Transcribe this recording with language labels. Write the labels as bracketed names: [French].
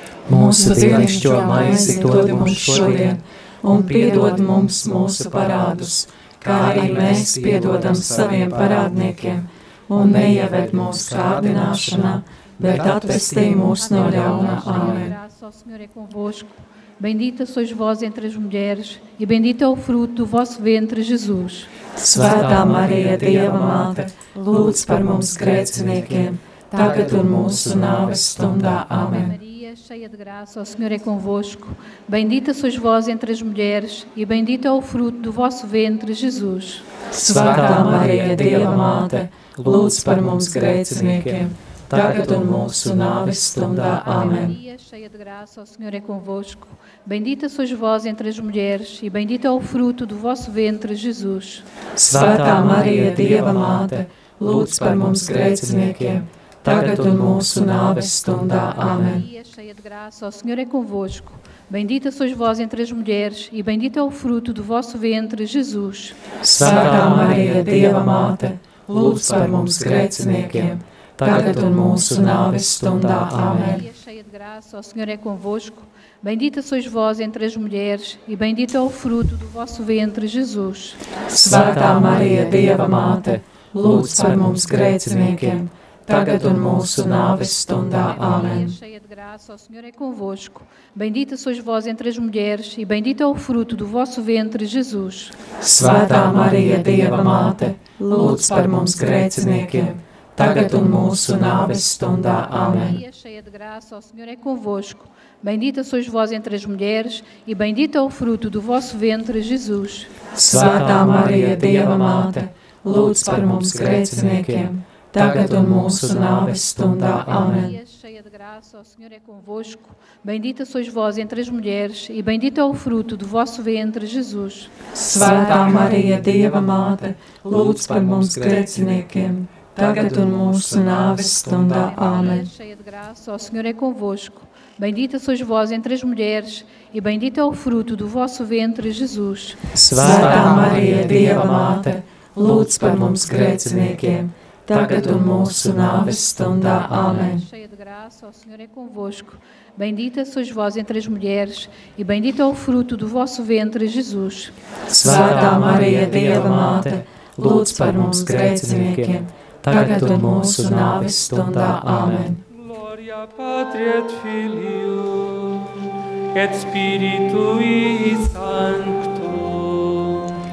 [Latvian] Mūsu dienišķo maizi dod mums šodien un piedod mums mūsu parādus, kā arī mēs piedodam saviem parādniekiem, un neieved mūsu kārdināšanā, bet atpestī mūsu no ļaunā. Amen. [Portuguese] Bendita sois vós entre as mulheres, e bendito é o fruto do vosso ventre, Jesus. [Latvian] Svētā Marija, Dieva Māte, lūdz par mums grēciniekiem, tagad un mūsu nāves stundā. Amen. [Portuguese] Cheia de graça, o Senhor é convosco. Bendita sois vós entre as mulheres, e bendito é o fruto do vosso ventre, Jesus. [Latvian] Svētā Marija, Dieva Māte, lūdz par mums grēciniekiem, tagad un mūsu nāves stundā. Amen. [Portuguese] Cheia de graça, o Senhor é convosco. Bendita sois vós entre as mulheres, e bendito é o fruto do vosso ventre, Jesus. [Latvian] Svētā Marija, Dieva Māte, lūdz par mums grēciniekiem, tagad un mūsu nāves stundā. Amen. [Portuguese] Cheia de graça, o Senhor é convosco. Bendita sois vós entre as mulheres, e bendito é o fruto do vosso ventre, Jesus. [Latvian] Santa Maria, Dieva Māte, lūdz par mums grēciniekiem, tagad un mūsu nāves stundā. Amen. [Portuguese] Cheia de graça, o Senhor é convosco. Bendita sois vós entre as mulheres, e bendito é o fruto do vosso ventre, Jesus. [Latvian] Santa Maria, Dieva Māte, lūdz par mums grēciniekiem, tagad un mūsu nāves stundā. Amen. [Portuguese] Cheia de graça, o Senhor é convosco. Bendita sois vós entre as mulheres, e bendito é o fruto do vosso ventre, Jesus. [Latvian] Svētā Marija, Dieva Māte, lūdz par mums grēciniekiem, tagad un mūsu nāves stundā. Amen. [Portuguese] Cheia de graça, o Senhor é convosco. Bendita sois vós entre as mulheres, e bendito é o fruto do vosso ventre, Jesus. [Latvian] Svētā Marija, Dieva Māte, lūdz par mums grēciniekiem, tagad un mūsu nāves stundā. Amen. [Portuguese] Cheia de graça, o Senhor é convosco. Bendita sois vós entre as mulheres, e bendito é o fruto do vosso ventre, Jesus. [Latvian] Svētā Marija, Dieva Māte, lūdz par mums grēciniekiem, tagad un mūsu nāves stundā. Amen. [Portuguese] Cheia de graça, o Senhor é convosco. Bendita sois vós entre as mulheres, e bendito é o fruto do vosso ventre, Jesus. [Latvian] Svētā Marija, Dieva Māte, lūdz par mums grēciniekiem, tagad un mūsu nāves stundā. Amen. [Portuguese] Cheia de graça, o Senhor é convosco. Bendita sois vós entre as mulheres, e bendito é o fruto do vosso ventre, Jesus. [Latvian] Svētā Marija, Dieva Māte, lūdz par mums grēciniekiem, tagad un mūsu nāves stundā. Amen. [Latin] Glória, Patria et Filio, et Spiritui Sancto.